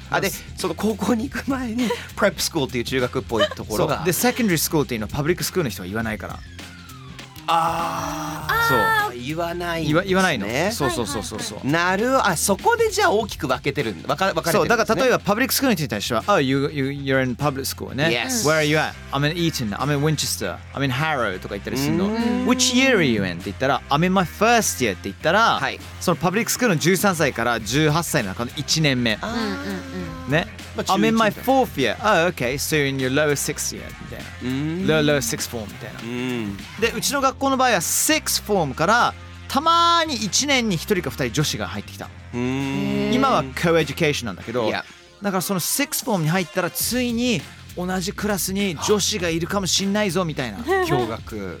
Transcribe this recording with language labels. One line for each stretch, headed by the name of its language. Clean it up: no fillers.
Japanese: あでその高校に行く前にプレップスクールという中学っぽいところがで、セカンダリースクールというのはパブリックスクールの人は言わないから、ああ、そう言わないですね、言わないの、そうそうそうそう、はいはい、なる、あそこでじゃあ大きく分けてるん、分かれてるんです、ね、そうだから例えばパブリックスクールの人に対しては
English: Oh you're in public school
Japanese: ね、
English: yes. Where are you at? I'm in Eton, I'm in Winchester, I'm in Harrow
Japanese: とか言ったりするの、
English: Which year are you in?
Japanese: って言ったら
English: I'm in my first year
Japanese: って言ったら、はい、そのパブリックスクールの13歳から18歳の中の1年目、あね、まあ、
English: I'm in my fourth year. Oh, okay. So you're in your lower sixth year.
Japanese: みたいな。
English: Lower sixth form
Japanese: みたいな。で、うちの学校の場合は sixth form からたまーに1年に1人か2人女子が入ってきた。今は co-education なんだけど、だからその sixth form に入ったらついに同じクラスに女子がいるかもしんないぞみたいな驚愕、